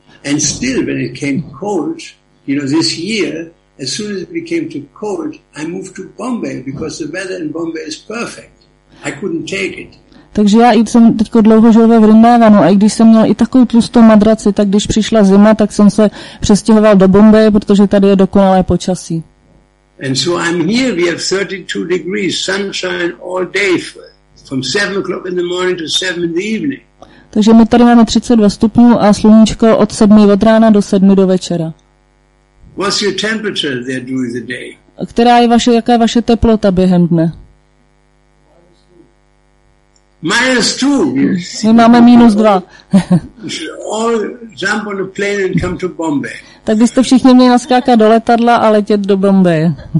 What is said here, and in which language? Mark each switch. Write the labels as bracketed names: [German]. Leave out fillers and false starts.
[English] And still, when it came cold, you know, this year, as soon as it became too cold, I moved to Bombay because the weather in Bombay is perfect. I couldn't take it. [Czech] Takže já jsem teď dlouho žil ve Vrindavanu a i když jsem měl i takovou tlustou madraci, tak když přišla zima, tak jsem se přestěhoval do Bombay, protože tady je dokonalé počasí. [English] And so I'm here, we have 32 degrees sunshine all day from 7 o'clock in the morning to 7 in the evening. [Czech] Takže my tady máme 32 stupňů a sluníčko od 7 od rána do 7 do večera. [English] What's your temperature there during the day? [Czech] Která je vaše, jaká je vaše teplota během dne? [English] Minus 2. [Czech] My máme minus 2. [English] All jump on a plane and come to Bombay. [Czech] Tak byste všichni měli naskákat do letadla a letět do Bombaje.